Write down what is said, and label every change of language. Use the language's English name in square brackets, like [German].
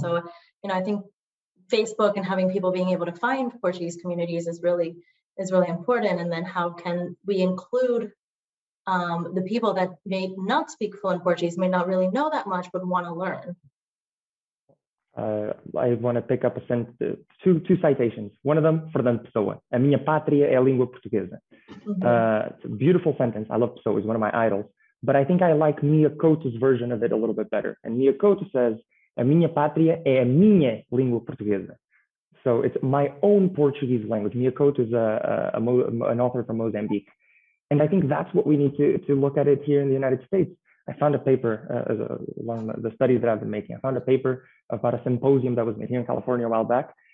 [English] So, you know, I think Facebook and having people being able to find Portuguese communities is really important. And then how can we include the people that may not speak fluent Portuguese, may not really know that much, but want to learn? I want to pick up two citations. One of them, Fernando Pessoa, [Portuguese] a minha pátria é a língua portuguesa. [English] Mm-hmm. It's a beautiful sentence. I love Pessoa, he's one of my idols. But I think I like Mia Couto's version of it a little bit better. And Mia Couto says, [Portuguese] a minha pátria é a minha língua portuguesa. [English] So it's my own Portuguese language. Mia Couto is an author from Mozambique. And I think that's what we need to look at it here in the United States. I found a paper, along the studies that I've been making, I found a paper about a symposium that was made here in California a while back.